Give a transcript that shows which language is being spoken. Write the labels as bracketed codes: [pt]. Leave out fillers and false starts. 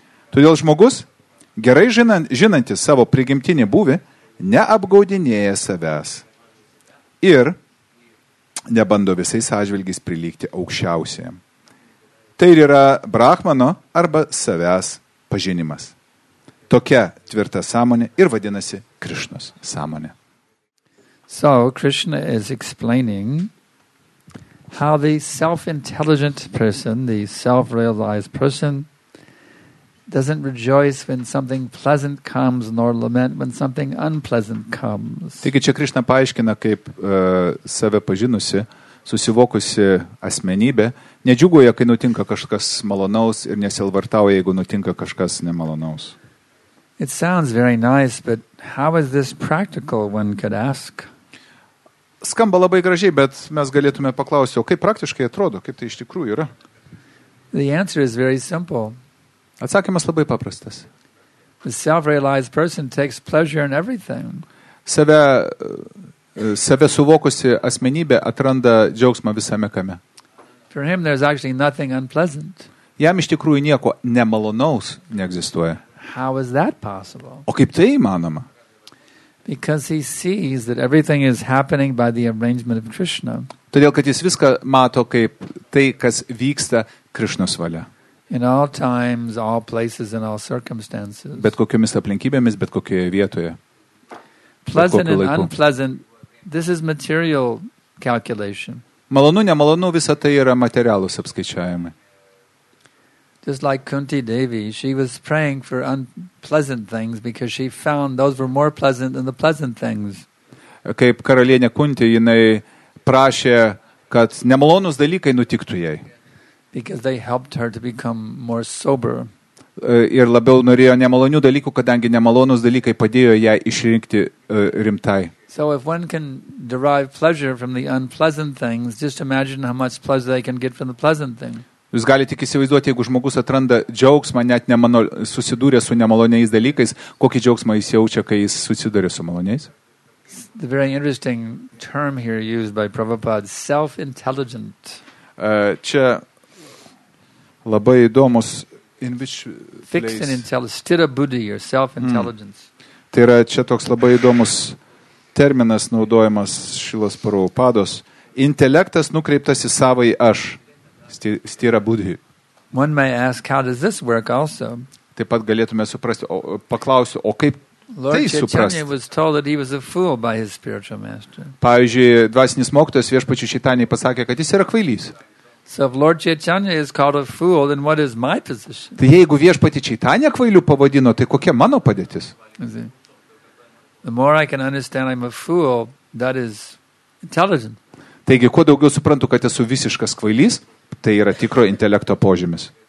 [lt] Todėl žmogus – gerai žinantis savo prigimtinį būvį, neapgaudinėja savęs ir nebando visais atžvilgiais prilygti aukščiausiam. Tai ir yra brahmano arba savęs pažinimas. Tokia tvirta sąmonė ir vadinasi Krišnos sąmonė. [en] So, Krishna is explaining how the self-intelligent person, the self-realized person, doesn't rejoice when something pleasant comes, nor lament when something unpleasant comes. [lt] Taigi čia Krishna paaiškina, kaip save pažinusi susivokusi asmenybė, nedžiugoja, kai nutinka kažkas malonaus ir nesilvartauja, jeigu nutinka kažkas nemalonaus. [en] It sounds very nice, but how is this practical, one could ask? [lt] Skamba labai gražiai, bet mes galėtume paklausti, o kaip praktiškai atrodo, kaip tai iš tikrųjų yra? [en] The answer is very simple. [lt] Atsakymas labai paprastas. [en] The self-realized person takes pleasure in everything. [lt] Save suvokusi asmenybė atranda džiaugsmą visame kame. [en] For him there's actually nothing unpleasant. [lt] Jam iš tikrųjų nieko nemalonaus neegzistuoja. [en] How is that possible? [lt] O kaip tai įmanoma? [en] Because he sees that everything is happening by the arrangement of Krishna. [lt] Todėl kad jis viską mato kaip tai, kas vyksta Krishnos valia. [en] In all times, all places and all circumstances. [lt] Bet kokiomis aplinkybėmis, bet kokioje vietoje. [en] Pleasant and unpleasant, this is material calculation. [lt] Malonu, nemalonu, visa tai yra materialūs apskaičiavimai. [en] Just like Kunti Devi, she was praying for unpleasant things because she found those were more pleasant than the pleasant things. [lt] Kaip karalienė Kunti, jinai prašė, kad nemalonus dalykai nutiktų jai. [en] Because they helped her to become more sober. [lt] Ir labiau norėjo nemalonių dalykų, kadangi nemalonus dalykai padėjo jai išrinkti rimtai. [en] So if one can derive pleasure from the unpleasant things, just imagine how much pleasure they can get from the pleasant thing. [lt] Jūs galite tik įsivaizduoti, jeigu žmogus atranda džiaugsmą, net susidūrė su nemaloniais dalykais, kokį džiaugsmą jis jaučia, kai jis susidūrė su maloniais? [en] The very interesting term here used by Prabhupada, self-intelligent. [lt] Čia labai įdomus, [en] in which place? Fixed and intelligent, stira buddhi, or self-intelligence. [lt] Tai yra čia toks labai įdomus terminas naudojamas Šilas Prabhupados. Intelektas nukreiptas į savąjį aš. [sa] Stira buddhi. [en] One may ask, how does this work also? [lt] Taip pat galėtume suprasti, paklausiu, o kaip [en] Lord [lt] tai suprasti? [en] Chaitanya was told that he was a fool by his spiritual master. [lt] Pavyzdžiui, dvasinis mokytojas viešpačiu Chaitanyai pasakė, kad jis yra kvailys. [en] So if Lord Chaitanya is called a fool, then what is my position? [lt] Tai jeigu viešpatį Chaitanya kvailiu pavadino, tai kokia mano padėtis? [en] The more I can understand I'm a fool, that is intelligent. [lt] Taigi, kuo daugiau suprantu, kad esu visiškas kvailys, tai yra tikro intelekto požymis.